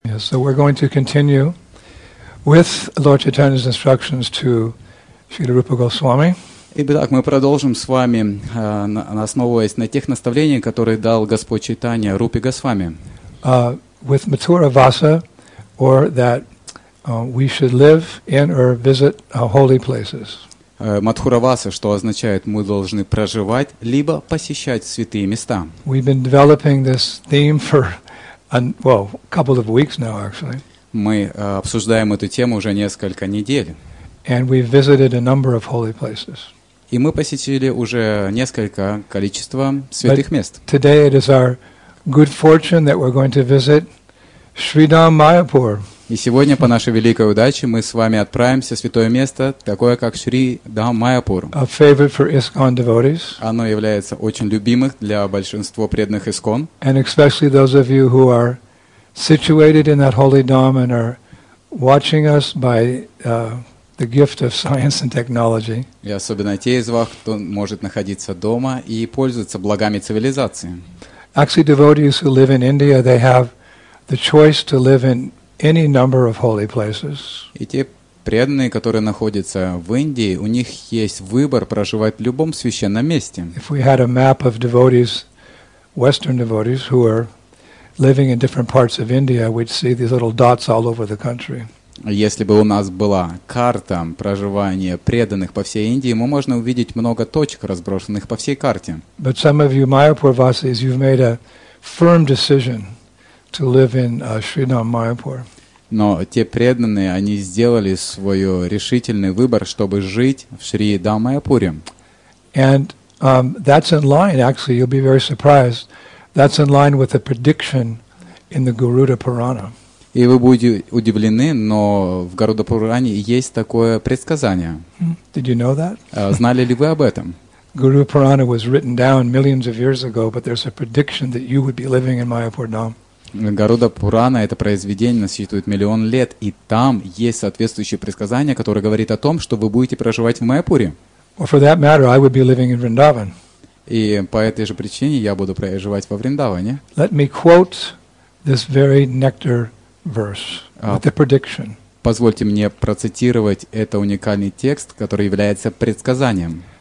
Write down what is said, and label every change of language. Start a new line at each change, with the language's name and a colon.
English: Yes, so we're going to continue with Lord Chaitanya's instructions to Śrīla Rūpa Gosvāmī.
Russian: Итак, мы продолжим с вами, основываясь на тех наставлениях, которые дал Господь Чайтанья Рупе Госвами.
English: With Mathura Vasa, or that we should live in or visit holy places.
Russian: Mathura Vasa, что означает, мы должны проживать либо посещать святые места.
English: We've been developing this theme for a couple of weeks now, actually.
Russian: Мы обсуждаем эту тему уже несколько недель.
English: And we've visited a number of holy places.
Russian: И мы посетили уже несколько количества святых мест.
English: But today it is our good fortune that we're going to visit Shridham Mayapur.
Russian: И сегодня, по нашей великой удаче, мы с вами отправимся в святое место, такое как Шридхам Майяпур.
English: A favorite for ISKCON devotees.
Russian: Оно является очень любимым для большинства преданных ИСКОН.
English: And especially those of you who are situated in that holy dharma and are watching us by the gift of science and technology.
Russian: И особенно те из вас, кто может находиться дома и пользуется благами цивилизации.
English: Actually, devotees who live in India, they have the choice to live in any number of holy places.
Russian: И те преданные, которые находятся в Индии, у них есть выбор проживать в любом священном месте.
English: If we had a map of devotees, Western devotees who are living in different parts of India, we'd see these little dots all over the country.
Russian: Если бы у нас была карта проживания преданных по всей Индии, мы можно увидеть много точек, разбросанных по всей карте.
English: But some of you Mayapur Vasis, you've made a firm decision to live in Shridham Mayapur.
Russian: Но те преданные, они сделали свой решительный выбор, чтобы жить в Шридхам Майяпуре.
English: And that's in line, actually, you'll be very surprised. That's in line with a prediction in the Garuda Purana.
Russian: И вы будете удивлены, но в Гаруда Пуране есть такое предсказание.
English: Did you know that?
Russian: Знали ли вы об этом?
English: Guru Purana was written down millions of years ago, but there's a prediction that you would be living in Mayapur Dham.
Russian: Гаруда Пурана — это произведение, насчитывает миллион лет, и там есть соответствующее предсказание, которое говорит о том, что вы будете проживать в Майяпуре.
English: Well, for that matter, I would be living in Vrindavan.
Russian: И по этой же причине я буду проживать во Вриндаване.
English: Let me quote this very nectar verse with the prediction.
Russian: Позвольте мне процитировать это уникальный текст, который является предсказанием.